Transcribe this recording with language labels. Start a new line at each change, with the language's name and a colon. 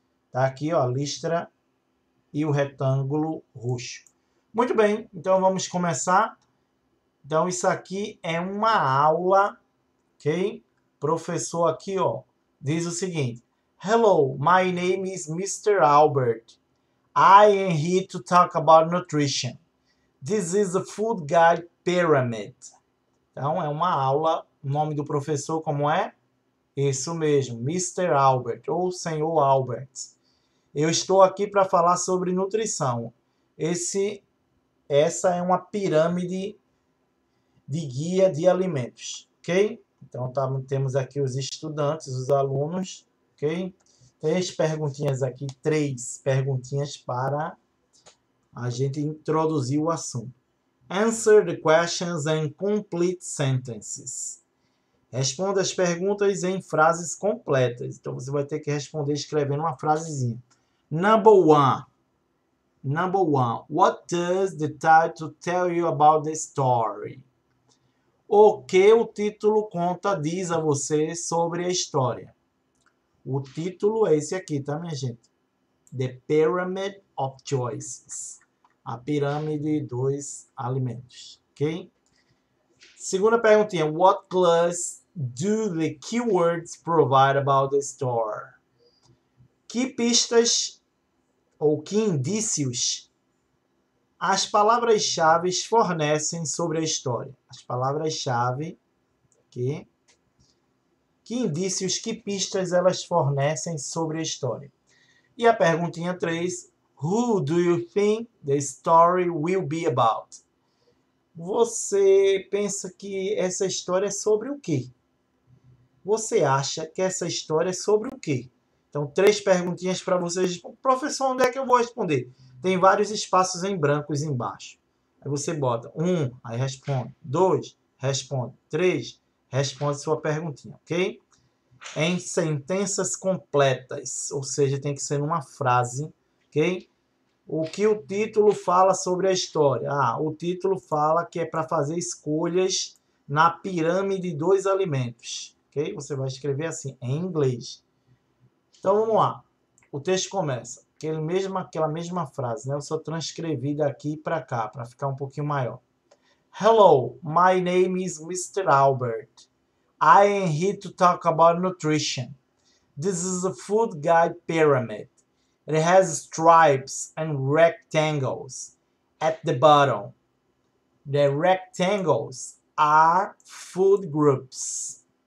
Portuguese: Tá aqui, ó, a listra e o retângulo roxo. Muito bem, então vamos começar. Então, isso aqui é uma aula, ok? Professor aqui, ó, diz o seguinte:
English: Hello, my name is Mr. Albert. I am here to talk about nutrition. This is a food guide pyramid.
Portuguese: Então, é uma aula. O nome do professor, como é? Isso mesmo, Mr. Albert ou Senhor Albert. Eu estou aqui para falar sobre nutrição. Essa é uma pirâmide de guia de alimentos, ok? Então, temos aqui os estudantes, os alunos, ok? Três perguntinhas aqui, três perguntinhas para a gente introduzir o assunto.
English: Answer the questions in complete sentences.
Portuguese: Responda as perguntas em frases completas. Então você vai ter que responder escrevendo uma frasezinha.
English: Number one. What does the title tell you about the story?
Portuguese: O que o título conta diz a você sobre a história? O título é esse aqui, tá, minha gente?
English: The Pyramid of Choices.
Portuguese: A pirâmide dos alimentos. Ok? Segunda perguntinha.
English: What class do the keywords provide about the store?
Portuguese: Que pistas ou que indícios as palavras-chave fornecem sobre a história? As palavras-chave, okay? Que indícios, que pistas elas fornecem sobre a história? E a perguntinha 3,
English: Who do you think the story will be about?
Portuguese: Você pensa que essa história é sobre o quê? Você acha que essa história é sobre o quê? Então, três perguntinhas para vocês. Professor, onde é que eu vou responder? Tem vários espaços em brancos embaixo. Aí você bota um, aí responde. Dois, responde. Três, responde sua perguntinha, ok? Em sentenças completas, ou seja, tem que ser numa frase, ok? O que o título fala sobre a história? Ah, o título fala que é para fazer escolhas na pirâmide dos alimentos. Okay? Você vai escrever assim, em inglês. Então vamos lá. O texto começa. Aquela mesma frase, né? Eu só transcrevi daqui para cá, para ficar um pouquinho maior.
English: Hello, my name is Mr. Albert. I am here to talk about nutrition. This is a food guide pyramid. It has stripes and rectangles at the bottom. The rectangles are food groups.